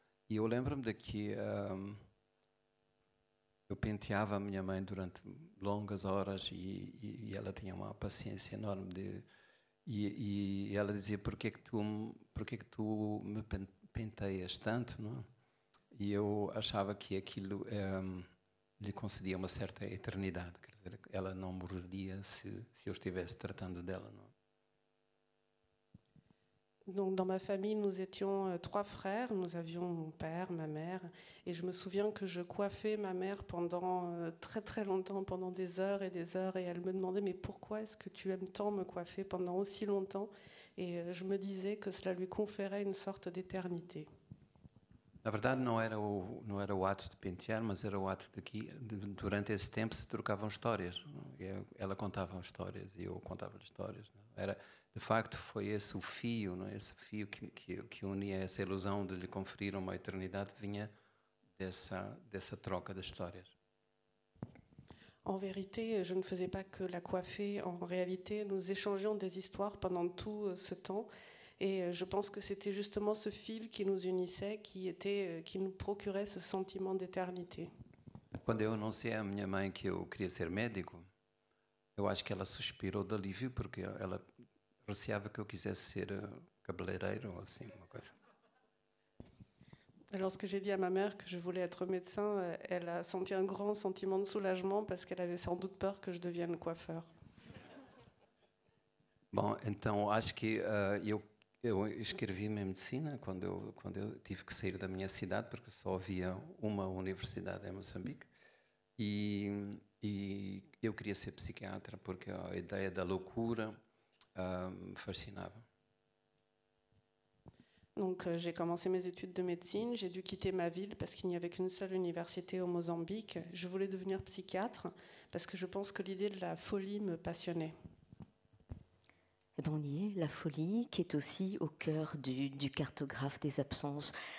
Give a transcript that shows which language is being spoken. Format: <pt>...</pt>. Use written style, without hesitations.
<pt>E eu lembro-me de que eu penteava a minha mãe durante longas horas e ela tinha uma paciência enorme e ela dizia por que tu me penteias tanto, não? E eu achava que aquilo lhe concedia uma certa eternidade, quer dizer, ela não morreria se eu estivesse tratando dela, não?</pt> <fr>Donc, dans ma famille, nous étions trois frères. Nous avions mon père, ma mère. Et je me souviens que je coiffais ma mère pendant très, très longtemps, pendant des heures et des heures. Et elle me demandait, mais pourquoi est-ce que tu aimes tant me coiffer pendant aussi longtemps? Et je me disais que cela lui conférait une sorte d'éternité.</fr> <pt>Na verdade, não era o ato de pentear, mas era o ato de que, durante esse tempo, se trocavam histórias. Ela contava histórias e eu contava histórias. Era, de facto, foi esse o fio, não é? Esse fio que unia essa ilusão de lhe conferir uma eternidade, vinha dessa troca de histórias.</pt> <fr>En vérité, je ne faisais pas que la coiffer. En réalité, nous échangeions des histoires pendant tout ce temps. Et je pense que c'était justement ce fil qui nous unissait, qui nous procurait ce sentiment d'éternité. Quand j'ai annoncé à ma mère que je voulais être médic, je pense qu'elle a suspiré d'</fr> <pt>alivio</pt> <fr>parce qu'elle recevait que je voulais être</fr> <pt>cabeleireiro ou assim,</pt> <fr>une chose. Lorsque j'ai dit à ma mère que je voulais être médecin, elle a senti un grand sentiment de soulagement parce qu'elle avait sans doute peur que je devienne coiffeur.</fr> <pt>Bon, então, acho que eu inscrevi-me em medicina quando eu tive que sair da minha cidade, porque só havia uma universidade em Moçambique. E eu queria ser psiquiatra, porque a ideia da loucura me fascinava.</pt> <fr>Donc j'ai commencé mes études de médecine, j'ai dû quitter ma ville parce qu'il n'y avait qu'une seule université au Mozambique. Je voulais devenir psychiatre parce que je pense que l'idée de la folie me passionnait. Eh bien, on y est, la folie qui est aussi au cœur du cartographe des absences.</fr>